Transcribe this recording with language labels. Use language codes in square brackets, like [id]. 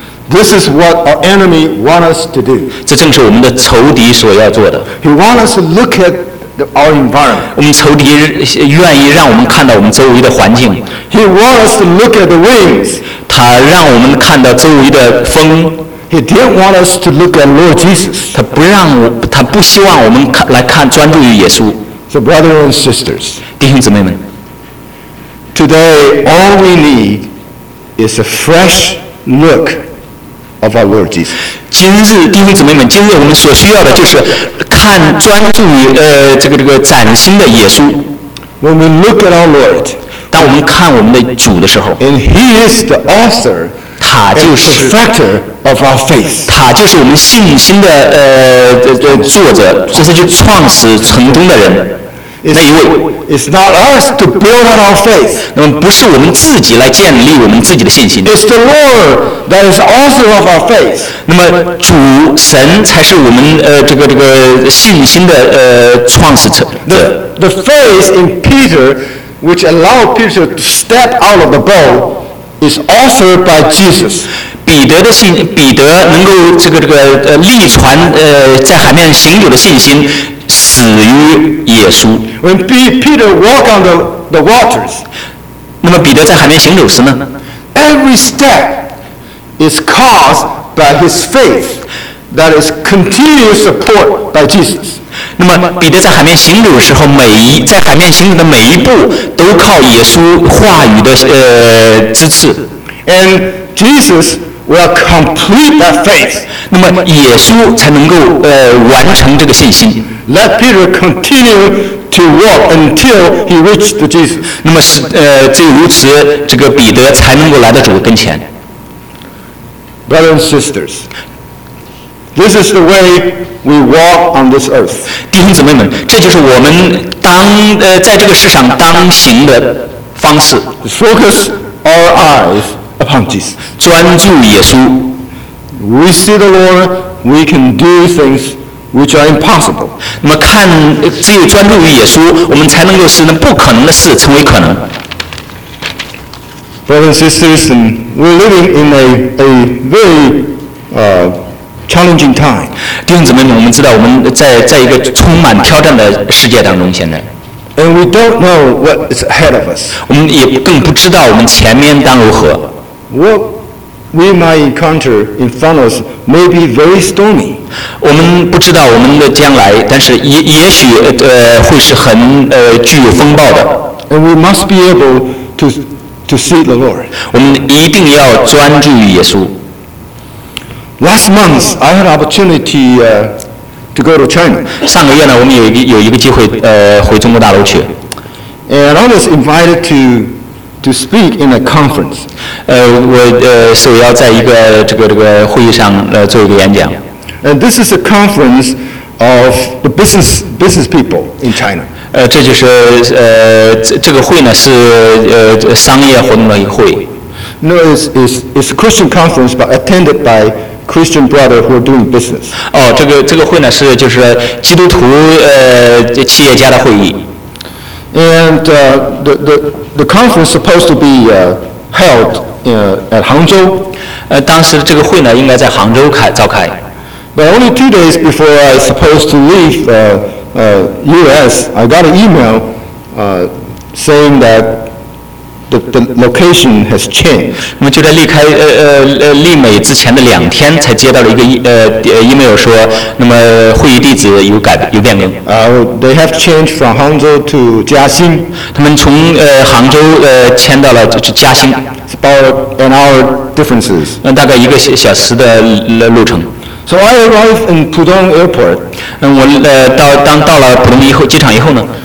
[en] This is what our enemy wants us to do. [zh] 这正是我们的仇敌所要做的。 [en] He wants us to look at our environment. [zh] 我们仇敌愿意让我们看到我们周围的环境。 [en] He wants us to look at the winds. [zh] 他让我们看到周围的风。 [en] He didn't want us to look at Lord Jesus. [zh] 他不希望我们来看专注于耶稣。 [en] So brothers and sisters, [zh] 弟兄姊妹们， [en] today all we need is a fresh look of our Lord Jesus. [zh] 今日弟兄姊妹们，今日我们所需要的就是看专注于这个崭新的耶稣。 [en] When we look at our Lord, [zh] 当我们看我们的主的时候， [en] and He is the author, [zh] 他就是 [en] perfecter of our faith. [zh] 他就是我们信心的作者，这是就创始成终的人。那一位 [en] ，It's not us to build on our faith. [zh] 那么不是我们自己来建立我们自己的信心。 [en] It's the Lord that is author of our faith. [zh] 那么主神才是我们这个信心的创始者。 [en] The faith in Peter, which allowed Peter to step out of the boat, is authored by Jesus. [zh] 彼得的信，彼得能够这个立船在海面行走的信心。死于耶稣。 [en] When Peter walked on the waters, [zh] 那么彼得在海面行走时呢？ [en] Every step is caused by his faith, that is continuous support by Jesus. [zh] 那么彼得在海面行走的时候，在海面行走的每一步都靠耶稣话语的支持。 [en] And Jesus will complete that faith. [zh] 那么耶稣才能够完成这个信心。 [en] Let Peter continue to walk until he reached the Jesus. [zh] 那么是只有如此，这个彼得才能够来到主跟前。 [en] Brothers and sisters, this is the way we walk on this earth. [zh] 弟兄姊妹们，这就是我们在这个世上当行的方式。 [en] Focus our eyes upon Jesus. [zh] 专注耶稣。 [en] We see the Lord, we can do things. Which are impossible. [zh] 那么看，只有专注于耶稣，我们才能够使那不可能的事成为可能。 [en] Brothers and sisters, we're living in a very challenging time. [zh] 弟兄姊妹们，我们知道我们在一个充满挑战的世界当中，现在。 [en] And we don't know what is ahead of us. [zh] 我们也更不知道我们前面当如何。 [en] What we might encounter in front of us may be very stormy. [zh] 我们不知道我们的将来，但是也许会是很具有风暴的。 [en] And we must be able to see the Lord. [zh] 我们一定要专注于耶稣。 [en] Last month, I had opportunity to go to China. [zh] 上个月呢，我们有一个机会回中国大陆去。 [en] And I was invited to speak in a conference. [zh] 我要在一个这个会议上做一个演讲。 [en] And this is a conference of the business people in China. [zh] 这就是这个会呢是商业活动的一个会。 [en] No, it's a Christian conference, but attended by Christian brothers who are doing business. [zh] 这个会呢是就是基督徒企业家的会议。 [en] And the conference is supposed to be held at Hangzhou. [zh] 当时这个会呢应该在杭州召开。 [en] But only 2 days before I was supposed to leave U.S., I got an email saying that the location has changed. [zh] 那么就在离美之前的两天，才接到了一个email 说，那么会议地址有变更。 [en] They have changed from Hangzhou to Jiaxing. [zh] 他们从杭州迁到了就Jiaxing. [en] It's about an hour differences. [zh] 那大概一个小时的路程。 [en] So I arrived in Pudong Airport. [zh] 我到了浦东机场以后呢